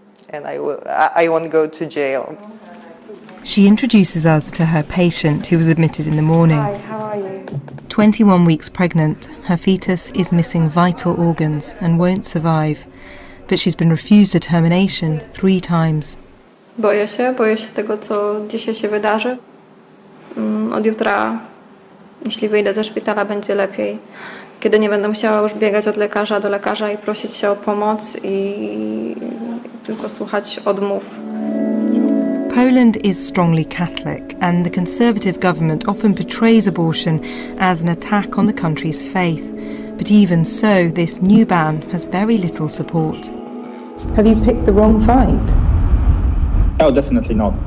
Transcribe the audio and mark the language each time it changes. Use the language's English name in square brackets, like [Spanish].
[English] And I won't go to jail. She introduces us to her patient who was admitted in the morning. Hi, how are you? 21 weeks pregnant. Her fetus is missing vital organs and won't survive. But she's been refused a termination 3 times. [Polish] Boję się tego, co dzisiaj się wydarzy. Od jutra, jeśli wyjdę ze szpitala, będzie lepiej. Kiedy nie będę musiała już biegać od lekarza do lekarza i prosić się o pomoc i tylko słuchać odmów. [English] Poland is strongly Catholic, and the conservative government often portrays abortion as an attack on the country's faith. But even so, this new ban has very little support. Have you picked the wrong fight? Oh, definitely not.